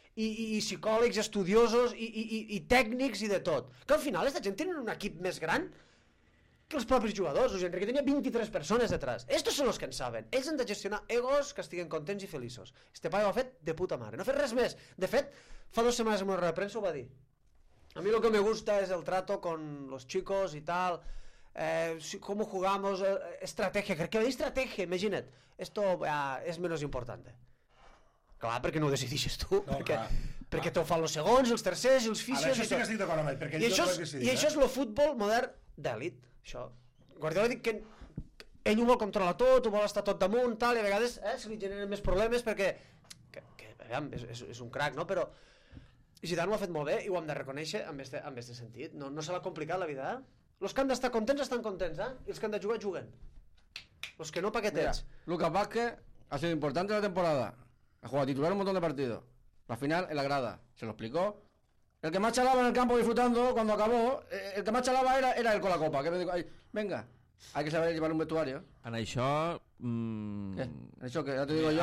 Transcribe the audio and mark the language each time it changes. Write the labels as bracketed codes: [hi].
[ca] I psicòlegs, estudiosos i tècnics i de tot. Que al final aquesta gent tenen un equip més gran que els propis jugadors. O sigui, que tenia 23 persones detrás. Estos són els que en saben. Ells han de gestionar egos que estiguen contents i feliços. Este paio ho ha fet de puta mare. No ha fet res més. De fet, fa dues setmanes en una roda de premsa ho va dir. [es] A mi lo que me gusta es el trato con los chicos y tal. Cómo jugamos, [ca] estrategia. Crec que va dir estrategia, imagina't. [es] Esto es menos importante. [ca] Clar, perquè no ho decidixes tu, no, perquè te ho fan els segons, els tercers, els fixes... Això sí que estic d'acord amb ell, perquè jo crec que sí. I això és el futbol modern d'elit, això. Guardiola dic que ell ho vol controlar tot, ho vol estar tot damunt, tal, i a vegades se li generen més problemes perquè... és un crac, no? Però Zidane ho ha fet molt bé i ho hem de reconèixer en aquest sentit. No se l'ha complicat la vida, eh? Els que han d'estar contents estan contents, eh? I els que han de jugar, juguen. Els que no, pa què tens? [es] Lucas Vázquez ha sido importante la temporada. Ha jugado titular un montón de partidos. La final en la grada. Se lo explicó. El que más chalaba en el campo disfrutando cuando acabó. El que más chalaba era él con la copa. Que me dijo, ay, venga, hay que saber llevar un vestuario. [ca] En això... Això que ja t'ho digo jo.